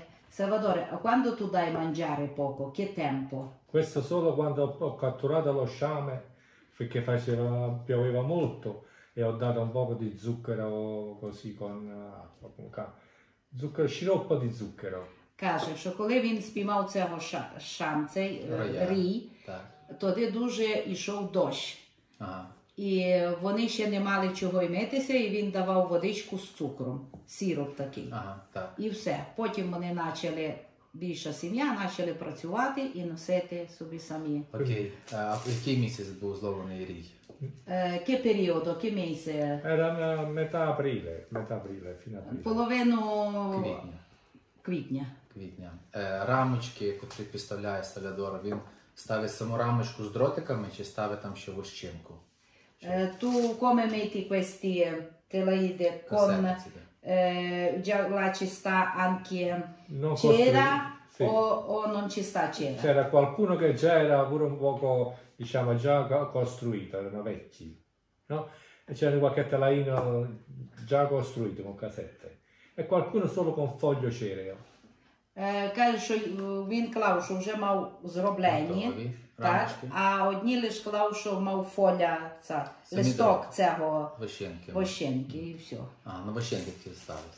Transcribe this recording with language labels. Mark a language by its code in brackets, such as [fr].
[it] Сальвадоре, а quando tu dai mangiare poco? Che tempo? Questo solo quando ho catturato lo sciame, perché faceva, pioveva molto, e ho dato un poco di zucchero così con acqua. Zucchero, sciroppo di zucchero. [uk] Каже, що коли він спіймав цього шам, цей рій, тоді дуже йшов дощ. Ага. І вони ще не мали чого імитися, і він давав водичку з цукром, сироп такий. Ага, так. І все. Потім вони почали, більша сім'я, почали працювати і носити собі самі. Окей. А який місяць був зловлений рій? [it] Che periodo? Che mese? Era metà aprile, fino a aprile. [uk] Половину квітня. Квітня. Квітня. Рамочки, котрі підставляє Сальвадор, він ставить саму рамочку з дротиками чи ставить там ще вощинку? [it] Tu come metti questi telaide con già là ci sta anche cera o non ci sta cera? C'era qualcuno che già era pure un poco, diciamo, già costruito, erano vecchi, no? E c'era qualche telaino già costruito con casette. E qualcuno solo con foglio cereo. [uk] Каже, що він клав, що вже мав зроблені, а одні лише клав, що мав фоля, ця, листок цього вощинки і все. А, на вощинки ті ставився.